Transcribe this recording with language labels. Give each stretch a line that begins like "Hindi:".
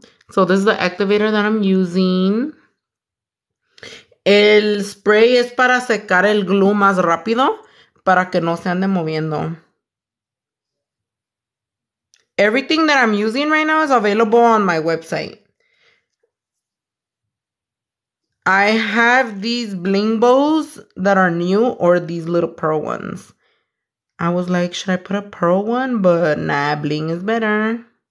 English: So this is the activator that I'm using.
Spanish: El spray es para secar el glue más rápido para que no se ande moviendo.
English: Everything that I'm using right now is available on my website. I have these bling bows that are new or these little pearl ones. I was like, should I put a pearl one? But nah, bling is better.